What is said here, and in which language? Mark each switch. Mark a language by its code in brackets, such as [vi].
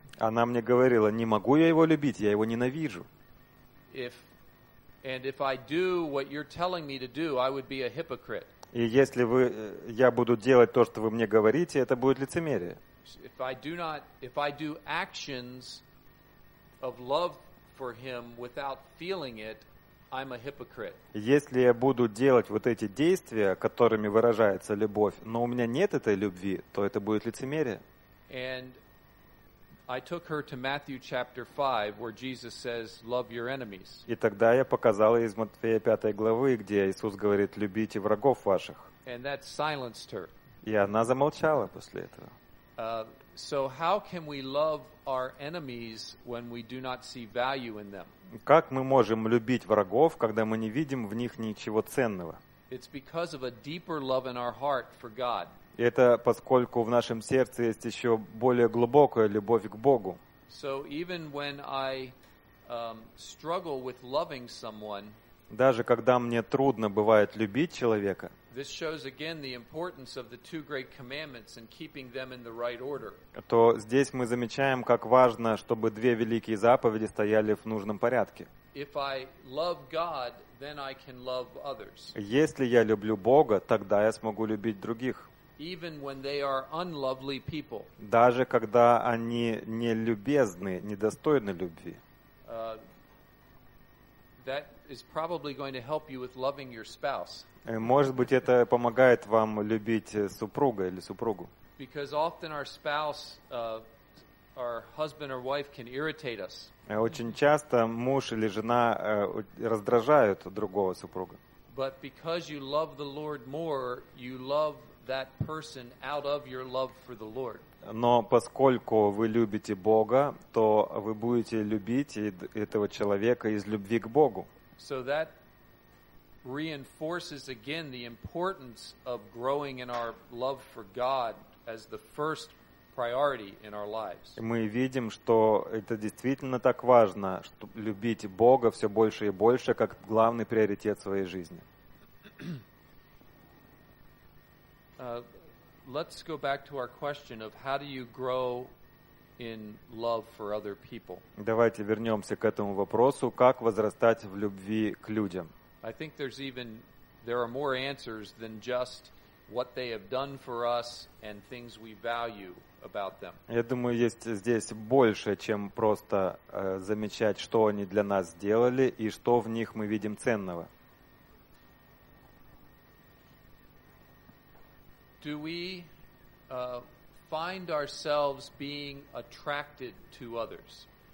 [ru] Она мне говорила, не могу я его любить, я его ненавижу. [en] If I do what you're telling me to do, I would be a hypocrite. [ru] И если вы, я буду делать то, что вы мне говорите, это будет лицемерие. [en] If I do actions of love for him without feeling it, I'm a hypocrite. [ru] Если я буду делать вот эти действия, которыми выражается любовь, но у меня нет этой любви, то это будет лицемерие. [en] And I took her to Matthew chapter 5, where Jesus says, "Love your enemies." [ru] И тогда я показал ей из Матфея 5 главы, где Иисус говорит: "Любите врагов ваших." [en] And that silenced her. [ru] И она замолчала после этого. [en] So how can we love our enemies when we do not see value in them? [ru] Как мы можем любить врагов, когда мы не видим в них ничего ценного? [en] It's because of a deeper love in our heart for God. [ru] Это поскольку в нашем сердце есть еще более глубокая любовь к Богу. [en] So even when I struggle with loving someone, [ru] даже когда мне трудно бывает любить человека, [en] this shows again the importance of the two great commandments and keeping them in the right order. [ru] То здесь мы замечаем, как важно, чтобы две великие заповеди стояли в нужном порядке. [en] If I love God, then I can love others. [ru] Если я люблю Бога, тогда я смогу любить других. [en] Even when they are unlovely people. [ru] Даже когда они нелюбезны, недостойны любви. [en] That is probably going to help you with loving your spouse. [ru] Может быть, это помогает вам любить супруга или супругу. [en] Because often our spouse, our husband or wife can irritate us. [ru] Очень часто муж или жена раздражают другого супруга. [en] But because you love the Lord more, you love that person out of your love for the Lord. [ru] Но поскольку вы любите Бога, то вы будете любить этого человека из любви к Богу. [en] So that reinforces again the importance of growing in our love for God as the first priority in our lives. [ru] Мы видим, что это действительно так важно, что любить Бога все больше и больше как главный приоритет своей жизни. [en] Let's go back to our question of how do you grow in love for other people. [ru] Давайте вернемся к этому вопросу, как возрастать в любви к людям. [en] I think there are more answers than just what they have done for us and things we value about them. [ru] Я думаю, есть здесь больше, чем просто замечать, что они для нас сделали и что в них мы видим ценного. [en] Do we find ourselves being attracted to others?